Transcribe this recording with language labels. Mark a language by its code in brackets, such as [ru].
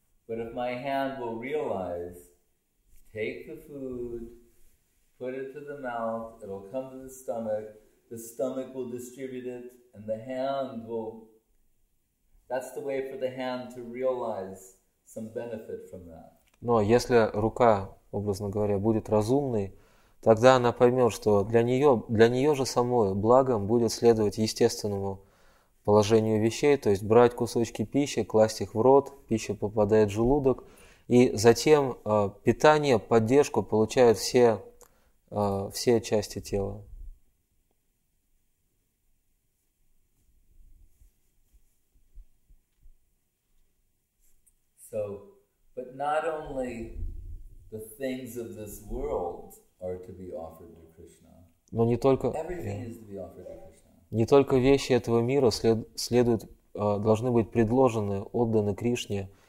[en] Take the food, put it to the mouth, it'll come to the stomach will distribute it, and the hand will... That's the way for the hand to realize some benefit from that. [ru] Но если рука, образно говоря, будет разумной, тогда она поймет, что для нее же самой благом будет следовать естественному положению вещей, то есть брать кусочки пищи, класть их в рот, пища попадает в желудок, и затем питание, поддержку получают все части тела. [en] So, but not only the things of this world are to be offered to Krishna. [ru] Но не только вещи этого мира должны быть предложены, отданы Кришне.